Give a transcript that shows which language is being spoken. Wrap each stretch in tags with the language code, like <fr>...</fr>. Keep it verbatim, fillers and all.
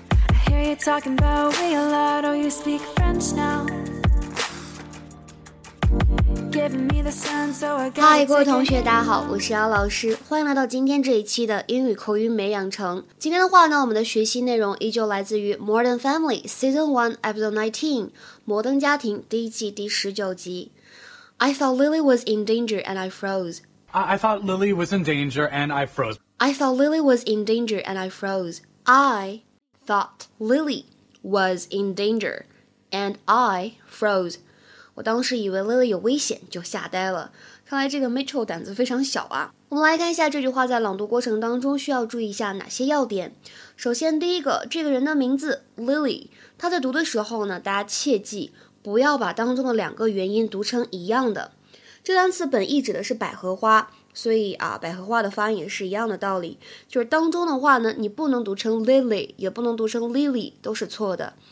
<en>I hear you talking about we a lot, oh you speak French now. Giving me the sun, so I got.</en> <zh>嗨，各位同学，大家好，我是姚老师，欢迎来到今天这一期的英语口语美养成。今天的话呢，我们的学习内容依旧来自于 Modern Family Season one Episode nineteen。摩登家庭第一季第十九集。</zh> <en>I thought Lily was in danger and I froze. I thought Lily was in danger and I froze. I thought Lily was in danger and I froze. I thought Lily was in danger and I froze.</en> <zh>我当时以为 Lily 有危险就吓呆了，看来这个 Mitchell 胆子非常小啊。我们来看一下这句话在朗读过程当中需要注意一下哪些要点。首先第一个，这个人的名字 Lily， 他在读的时候呢，大家切记不要把当中的两个元音读成一样的。这单词本意指的是百合花，所以啊，百合花的发音也是一样的道理，就是当中的话呢，你不能读成 Lily， 也不能读成 Lily， 都是错的。</zh>